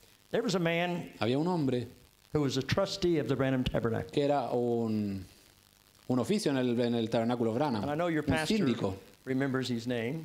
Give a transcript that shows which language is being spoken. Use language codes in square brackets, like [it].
[en] There was a man. [es] Había un hombre. [en] Who was a trustee of the Branham Tabernacle. [es] Que era un oficio en el tabernáculo Branham. [en] And I know your pastor remembers his name.